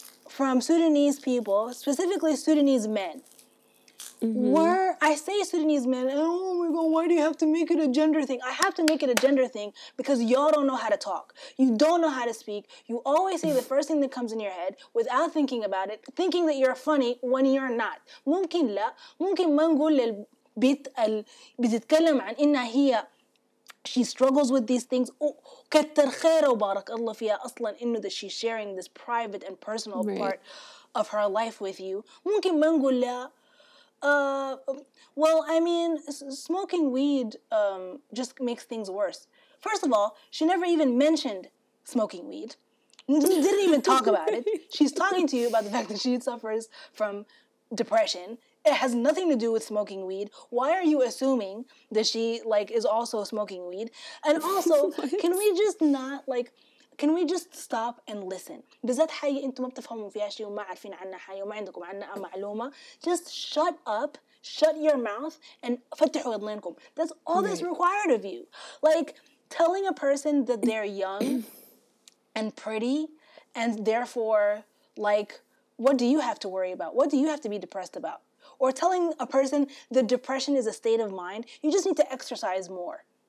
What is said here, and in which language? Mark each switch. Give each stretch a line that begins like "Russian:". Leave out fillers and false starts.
English: from Sudanese people, specifically Sudanese men, mm-hmm. were, I say Sudanese men, and oh my God, why do you have to make it a gender thing? I have to make it a gender thing because y'all don't know how to talk. You don't know how to speak. You always say the first thing that comes in your head without thinking about it, thinking that you're funny when you're not.
Arabic: ممكن لا, ممكن ما نقول للبيت بتتكلم عن إنها هي
English: She struggles with these things.
Arabic: كتر خير وبارك الله فيها أصلاً إنه
English: that she's sharing this private and personal right. part of her life with you.
Arabic: ممكن ما نقول لا.
English: Well, I mean, smoking weed just makes things worse. First of all, she never even mentioned smoking weed. Didn't even talk about it. She's talking to you about the fact that she suffers from depression. It has nothing to do with smoking weed. Why are you assuming that she, like, is also smoking weed? And also, can we just not, like, can we just stop and listen?
Arabic: بزات حي انتم ما بتفهموا فيها شيء وما عارفين عنها حي وما عندكم عنها معلومة.
English: Just shut up, shut your mouth, and
Arabic: فتحوا اذنكم.
English: That's all that's required of you. Like, telling a person that they're young and pretty and therefore, like, what do you have to worry about? What do you have to be depressed about? Or telling a person that depression is a state of mind, you just need to exercise more.